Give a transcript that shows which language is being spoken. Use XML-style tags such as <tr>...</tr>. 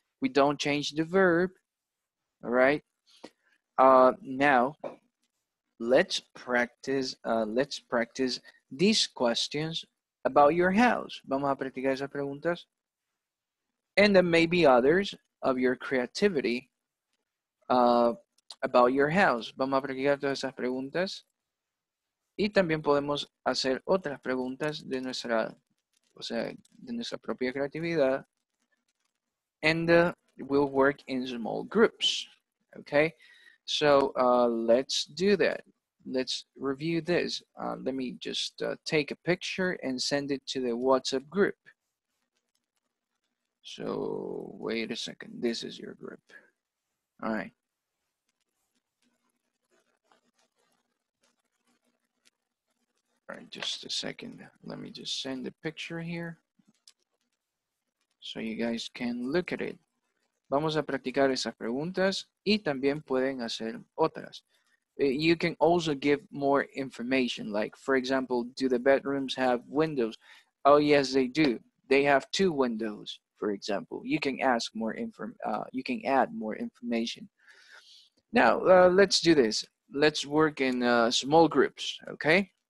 <en>We don't change the verb, all right? Now, let's practice these questions about your house.</en> <es>Vamos a practicar esas preguntas.</es> <en>And then maybe others of your creativity about your house.</en> <es>Vamos a practicar todas esas preguntas. Y también podemos hacer otras preguntas de nuestra, o sea, de nuestra propia creatividad.</es> <en>And we'll work in small groups. Okay? So, let's do that. Let's review this. Let me just take a picture and send it to the WhatsApp group. So, wait a second. This is your group. All right. All right, just a second. Let me just send the picture here so you guys can look at it.</en> <es>Vamos a practicar esas preguntas y también pueden hacer otras.</es> <en>You can also give more information, like, for example, do the bedrooms have windows? Oh, yes, they do. They have two windows, for example. You can ask more you can add more information. Now, let's do this. Let's work in small groups, okay?</en>